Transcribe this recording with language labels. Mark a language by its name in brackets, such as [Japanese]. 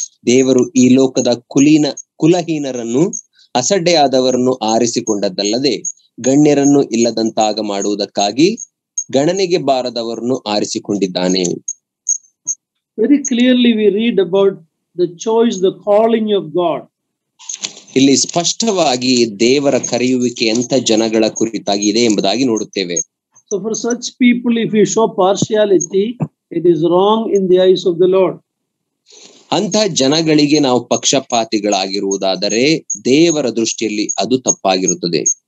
[Kannada] ದೇವರು ಈ ಲೋಕದ ಕುಲಹೀನರನ್ನು ಅಸಡ್ಡೆಯಾದವರನ್ನು ಆರಿಸಿಕೊಂಡದ್ದಲ್ಲದೆ ಗಣ್ಯರನ್ನು ಇಲ್ಲದಂತಾಗ ಮಾಡುವುದಕ್ಕಾಗಿ ಗಣನೆಗೆ ಬಾರದವರನ್ನು ಆರಿಸಿಕೊಂಡಿದ್ದಾನೆ. [English] Very clearly we read about the choice, the calling of God. [Kannada] ಇಲ್ಲಿ ಸ್ಪಷ್ಟವಾಗಿ ದೇವರ ಕರೆಯುವಿಕೆ ಎಂಥ ಜನಗಳ ಕುರಿತಾಗಿ ಇದೆ ಎಂಬುದಾಗಿ ನೋಡುತ್ತೇವೆ. [English] So for such people, if you show partiality, it is wrong in the eyes of the Lord. [Kannada] ಅಂತ ಜನಗಳಿಗೆ ನಾವು ಪಕ್ಷಪಾತಿಗಳಾಗಿರುವುದಾದರೆ ದೇವರ ದೃಷ್ಟಿಯಲ್ಲಿ ಅದು ತಪ್ಪಾಗಿರುತ್ತದೆ.